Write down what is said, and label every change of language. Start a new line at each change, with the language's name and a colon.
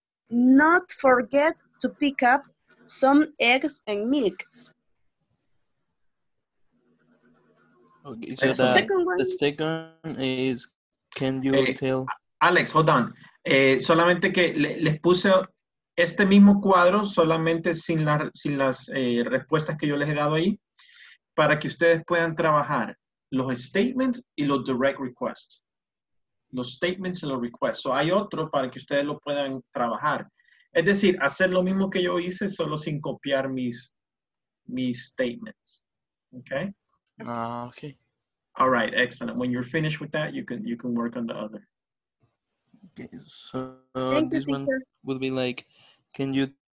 English: Not forget to pick up some eggs and milk. Okay, so the second one is, can you tell? Alex, hold on.
Spanish: Solamente que les puse este mismo cuadro, solamente sin las respuestas que yo les he dado ahí, para que ustedes puedan trabajar los statements y los direct requests. Los statements y los requests. So hay otro para que ustedes lo puedan trabajar. Es decir, hacer lo mismo que yo hice, solo sin copiar mis statements.
English: Okay? Okay. All right, excellent. When you're finished with that, you can work on the other. Okay, so this one would be like, can you...